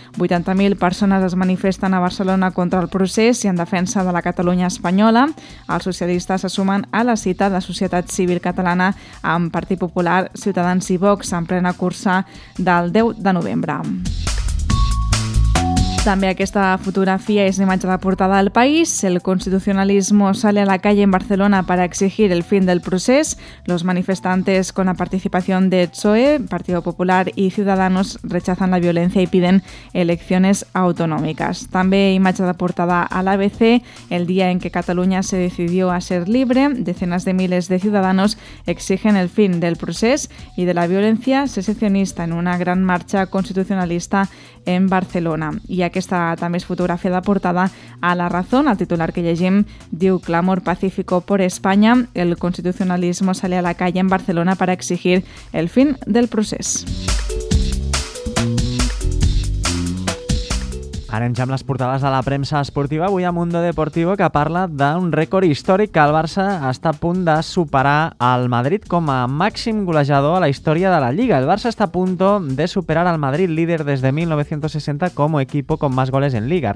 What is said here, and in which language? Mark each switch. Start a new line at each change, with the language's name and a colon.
Catalan: 80.000 persones es manifesten a Barcelona contra el procés i en defensa de la Catalunya espanyola. Els socialistes se sumen a la cita de Societat Civil Catalana amb Partit Popular, Ciutadans i Vox en plena cursa del 10 de novembre. També aquesta fotografia és imatge de portada del País.
Spanish: El constitucionalismo sale a la calle en Barcelona para exigir el fin del procés. Los manifestantes, con la participación de PSOE, Partido Popular y Ciudadanos, rechazan la violencia y piden elecciones autonómicas.
Catalan: També imatge de portada a l'ABC.
Spanish: El día en que Cataluña se decidió a ser libre, decenas de miles de ciudadanos exigen el fin del procés y de la violencia secesionista en una gran marcha constitucionalista en Barcelona.
Catalan: I aquesta també és fotografia de portada a La Razón. El titular que llegim diu:
Spanish: clamor pacífico por España. El constitucionalismo sale a la calle en Barcelona para exigir el fin del procés.
Catalan: Anem ja amb les portades de la premsa esportiva. Avui a Mundo Deportivo, que parla d'un rècord històric que el Barça està a punt de superar al Madrid com a màxim golejador a la història de la Lliga. El Barça està a punt de superar al Madrid, líder des de 1960 com a equip amb més goles en Liga.